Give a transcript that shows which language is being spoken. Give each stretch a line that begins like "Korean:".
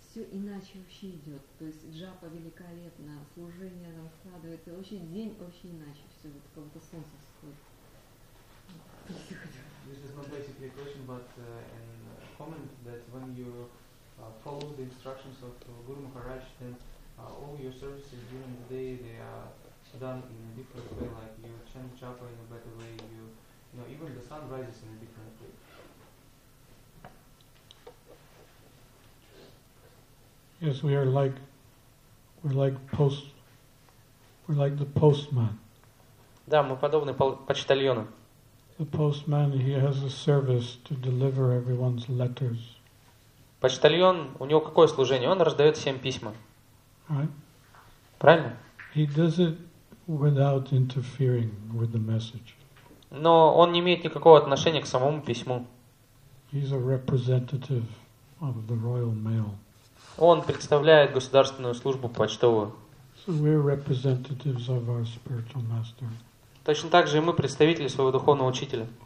Russian: Иначе вообще идет, то есть джапа великолепна, служение там складывается, вообще день вообще иначе все, вот как будто солнце всходит.
English: This is not basically a question, but a comment that when you follow the instructions of Guru Maharaj, then all your services during the day they are done in a different way, like you chant japa in a better way, you know, even the sun rises in a different way. Yes, we're like the postman.
Russian: Да, мы подобны почтальону.
English: The postman, he has a service to deliver everyone's letters.
Russian: Почтальон, у него какое служение? Он раздает всем письма.
English: Right?
Russian: Правильно?
English: He does it without interfering with the message.
Russian: Но он не имеет никакого отношения к самому письму.
English: He's a representative of the royal mail.
Russian: Он представляет государственную службу почтовую.
English: So
Russian: точно так же и мы представители своего духовного учителя.